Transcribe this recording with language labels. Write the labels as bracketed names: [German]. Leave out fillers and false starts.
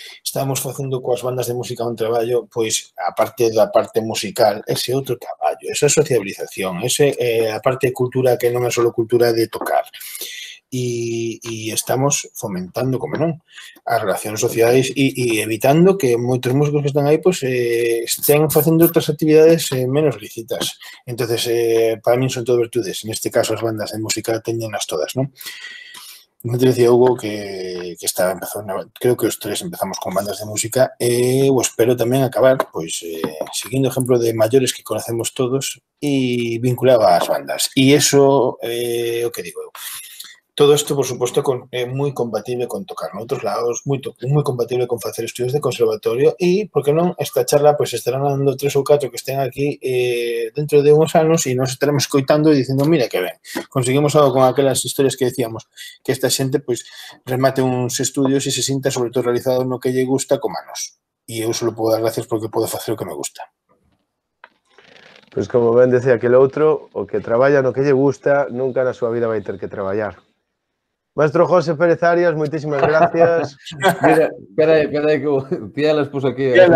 [Galician] Estamos facendo coas bandas de música un traballo, pois, aparte da parte musical, ese outro traballo, esa sociabilización, ese, a parte de cultura que non é só cultura de tocar. E estamos fomentando, como non, as relacións sociais e evitando que moitos músicos que están aí pues, estén facendo outras actividades menos lícitas. Entón, para min son todo virtudes. Neste caso, as bandas de música teñen as todas, non? Me decía Hugo que estaba empezando, creo que os tres empezamos con bandas de música e espero tamén acabar pois seguindo exemplo de maiores que conocemos todos e vinculado ás bandas. E eso o que digo eu. Todo isto, por suposto, é moi compatible con tocar noutros lados, moi compatible con facer estudios de conservatorio e, por que non, esta charla pues, estarán dando tres ou catro que estén aquí dentro de uns anos e nos estaremos coitando e dicendo, mira que ben, conseguimos algo con aquelas historias que decíamos, que esta xente pues, remate uns estudios e se sinta sobre todo realizado no que lle gusta con manos. E eu só podo dar gracias porque podo facer o que me gusta. Pois pues como ben decía aquel outro, o que traballa no que lle gusta, nunca na súa vida vai ter que traballar. [Spanish] Maestro José Pérez Arias, muchísimas gracias. Mira, espera, que tía las puso aquí.